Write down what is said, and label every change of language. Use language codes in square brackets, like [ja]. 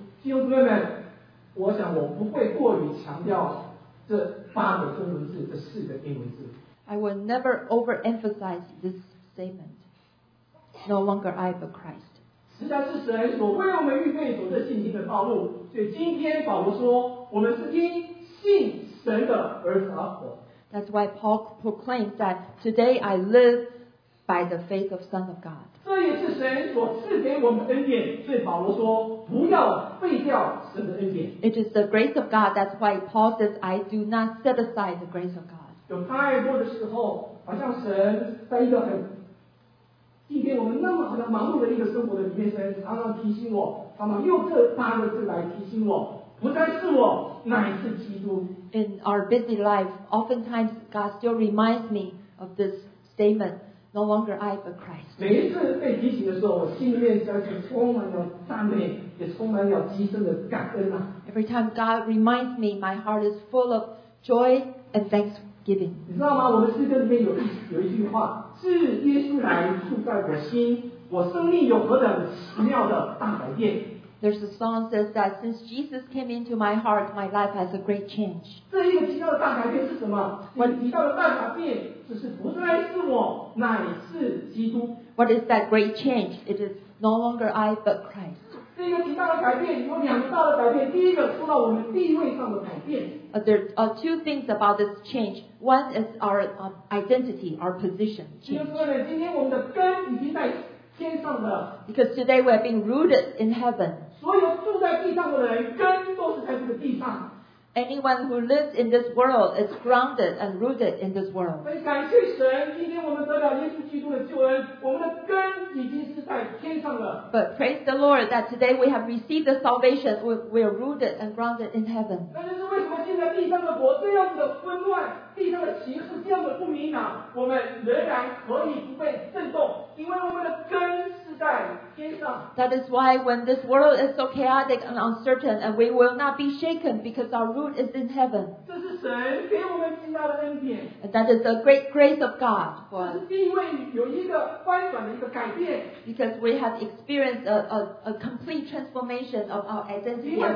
[zh] 弟兄姊妹们，我想我不会过于强调这八个中文字，这四个英文字。 [en] I will never overemphasize this statement. No longer I, but Christ. [zh] 实在是神所为我们预备走的信心的道路。所以今天保罗说，我们是因信神的而得活。 [en] That's why Paul proclaims that today I live by the faith of Son of God. [zh] 这也是神所赐给我们恩典，所以保罗说不要废掉神的恩典。 [en] It is the grace of God. That's why Paul says I do not set aside the grace of God. [zh] 有太多的时候，好像神在一个很祭奠我们那么好像忙碌的一个生活的里面，神常常提醒我，常常用这八个字来提醒我，不再是我，乃是基督。 [en] In our busy life, oftentimes God still reminds me of this statement, no longer I but Christ. [zh] 每一次被提醒的时候，我心里面就是充满了赞美，也充满了极深的感恩啊。 [en] Every time God reminds me, my heart is full of joy and thanksgiving. [zh] 你知道吗？我的诗歌里面有一句话，是耶稣来住在我心，我生命有何等奇妙的大改变。 [en] There's a song that says that since Jesus came into my heart, my life has a great change. [zh] 这一个提到的大改变是什么？这个提到的大改变就是不再是我，乃是基督。 [en] What is that great change? It is no longer I, but Christ. [zh] 这个提到的改变有两个大的改变，第一个说到我们地位上的改变。 [en] There are two things about this change. One is our identity, our position change. [zh] 今天我们的根已经在天上的。 [en] Because today we are being rooted in heaven. [zh] 所有住在地上的人根都是在这个地上。 [en] Anyone who lives in this world is grounded and rooted in this world. [zh] 感谢神，今天我们得到耶稣基督的救恩，我们的根已经是在天上了。 [en] But praise the Lord that today we have received the salvation, we are rooted and grounded in heaven. [zh] 那就是为什么现在地上的国这样的纷乱，地上的形势这样的不明朗，我们仍然可以不被震动，因为我们的根是在天上。 [en] That is why when this world is so chaotic and uncertain, and we will not be shaken because our root is in heaven. [zh] 这是 [en] That is the great grace of God for us. Because we have experienced a complete transformation of our identity and